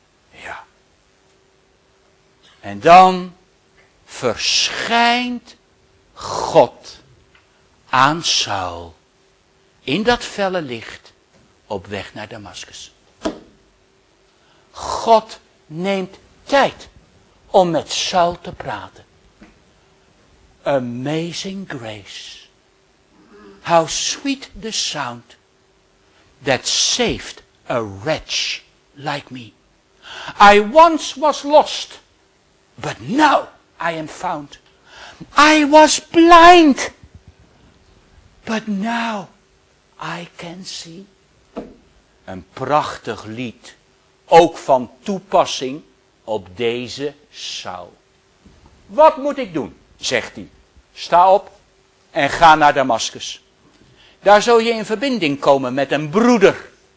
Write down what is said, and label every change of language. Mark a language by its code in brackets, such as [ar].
[nl] Ja. En dan verschijnt God aan Saul in dat felle licht op weg naar Damascus. God neemt tijd om met Saul te praten. [en] Amazing grace. How sweet the sound that saved a wretch like me. I once was lost, but now I am found. I was blind, but now I can see. [nl] Een prachtig lied, ook van toepassing op deze Saul. Wat moet ik doen, zegt hij. Sta op en ga naar Damascus. Daar zul je in verbinding komen met een broeder